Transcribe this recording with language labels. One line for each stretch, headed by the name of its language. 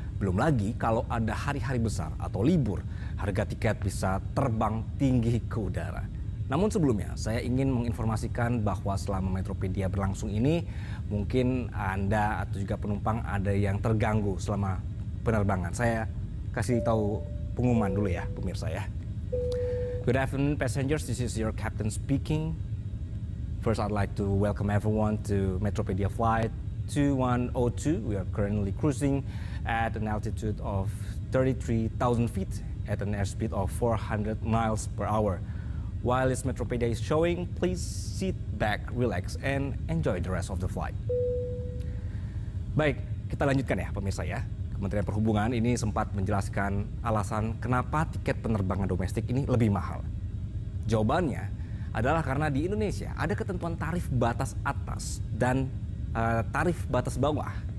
Indonesian: Belum lagi kalau ada hari-hari besar atau libur, harga tiket bisa terbang tinggi ke udara. Namun sebelumnya, saya ingin menginformasikan bahwa selama Metropedia berlangsung ini, mungkin Anda atau juga penumpang ada yang terganggu selama penerbangan. Saya kasih tahu pengumuman dulu ya, pemirsa ya.
English: Good afternoon, passengers. This is your captain speaking. First, I'd like to welcome everyone to Metropedia Flight 2102. We are currently cruising at an altitude of 33,000 feet at an airspeed of 400 miles per hour. While this Metropedia is showing, please sit back, relax, and enjoy the rest of the flight.
Indonesian: Baik, kita lanjutkan ya pemirsa ya. Kementerian Perhubungan ini sempat menjelaskan alasan kenapa tiket penerbangan domestik ini lebih mahal. Jawabannya adalah karena di Indonesia ada ketentuan tarif batas atas dan tarif batas bawah.